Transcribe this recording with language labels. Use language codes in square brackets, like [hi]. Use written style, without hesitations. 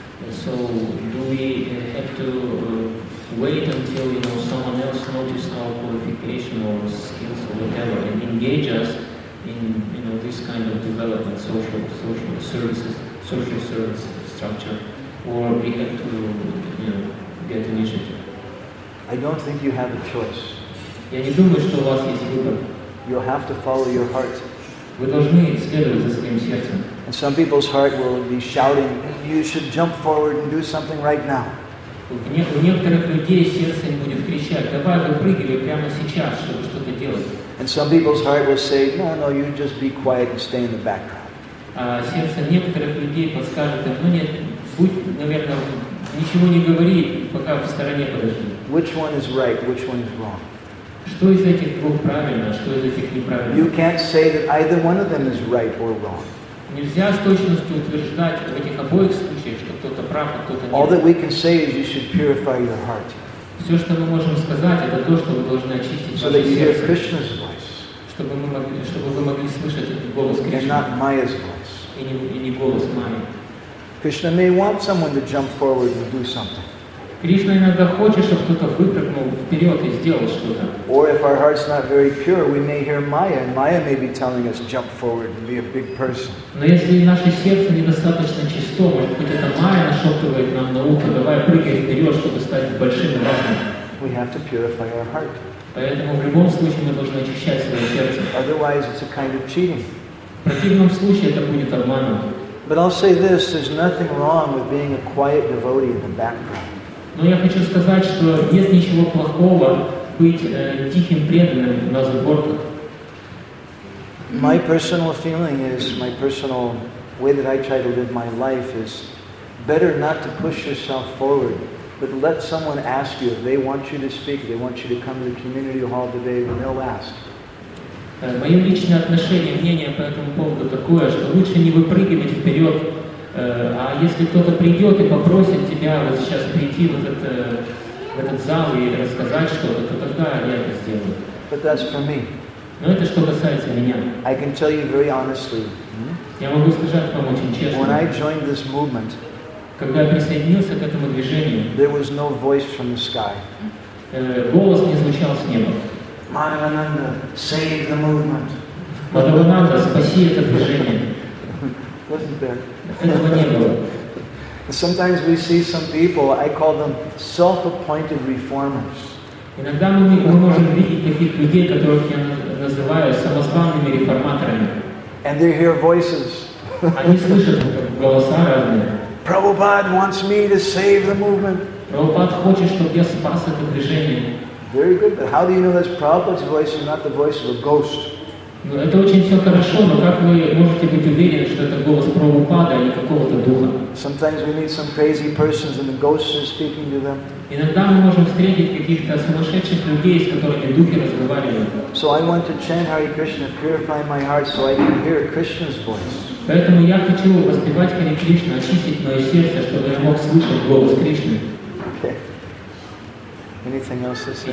[en] So do we have to wait until, you know, someone else notices our qualification or skills or whatever and engage us in, you know, this kind of development, social services, social service structure, or we have to, you know, get initiative? I don't think you have a choice. [ru] Я не думаю, что у вас есть выбор. [en] You have to follow your heart. [ru] Вы должны идти следовать за своим сердцем. [en] And some people's heart will be shouting, "You should jump forward and do something right now." [ru] У некоторых людей сердце будет кричать, давай выпрыгивай прямо сейчас, чтобы что-то делать. [en] And some people's heart will say, "No, no, you just be quiet and stay in the background." [ru] Сердце некоторых людей подскажет, ну нет, будь, наверное, ничего не говори, пока в стороне подожди. [en] Which one is right? Which one is wrong? [ru] Что из этих двух правильно, что из этих неправильно? [en] You can't say that either one of them is right or wrong. [ru] Нельзя с точностью утверждать в этих обоих случаях, что кто-то прав, а кто-то нет. [en] All that we can say is you should purify your heart. [ru] Все, что мы можем сказать, это то, что вы должны очистить ваше [en] hear Krishna's voice. [ru] Чтобы вы могли слышать голос Кришны. [en] And not Maya's voice. [ru] И не голос Майи. [en] Krishna may want someone to jump forward and do something. [ru] Кришна иногда хочет, чтобы кто-то выпрыгнул вперед и сделал что-то. [en] Or if our heart's not very pure, we may hear Maya, and Maya may be telling us, jump forward and be a big person. [ru] Но если наше сердце недостаточно чисто, может быть, это Майя нашептывает нам на ухо, давай прыгай вперед, чтобы стать большим и важным. [en] We have to purify our heart. [ru] Поэтому в любом случае мы должны очищать свое сердце. [en] Otherwise, it's a kind of cheating. [ru] В противном случае это будет обманом. [en] But I'll say this, there's nothing wrong with being a quiet devotee in the background. [ru] Но я хочу сказать, что нет ничего плохого быть тихим преданным на сборках. [en] My personal feeling is, my personal way that I try to live my life is better not to push yourself forward, but let someone ask you, if they want you to speak, they want you to come to the community hall today, then they'll ask. [ru] Мое личное отношение, мнение по этому поводу такое, что лучше не выпрыгивать вперед, а если кто-то придет и попросит тебя вот сейчас прийти в этот зал и рассказать что-то, то тогда я это сделаю. [en] But that's for me. [ru] Но это что касается меня. [en] I can tell you very honestly, [ru] я могу сказать вам очень честно. [en] When I joined this movement, [ru] когда я присоединился к этому движению, [en] there was no voice from the sky. [ru] Голос не звучал с неба. [en] Мадхавананда, save the movement. [ru] Мадхавананда, спаси это движение. [en] Wasn't there? [ru] Этого не было. [en] Sometimes we see some people, I call them self-appointed reformers. [ru] Иногда мы можем видеть таких людей, которых я называю самозванными реформаторами. [en] And they hear voices. [ru] Они слышат голоса разные. [en] Prabhupada wants me to save the movement. [ru] Прабхупада хочет, чтобы я спас это движение. [en] Very good, but how do you know that's Prabhupada's voice and not the voice of a ghost? [ru] Это очень все хорошо, но как вы можете быть уверены, что это голос Прабхупада, а не какого-то духа? [en] Sometimes we meet some crazy persons and the ghosts are speaking to them. [ru] Иногда мы можем встретить каких-то сумасшедших людей, с которыми духи разговаривают. [en] So I want to chant Hare Krishna, purify my heart so I can hear Krishna's voice. [ru] Поэтому я хочу воспевать Хари Кришну, очистить мое сердце, чтобы я мог слышать голос Кришны. [en] Okay. Anything else to say?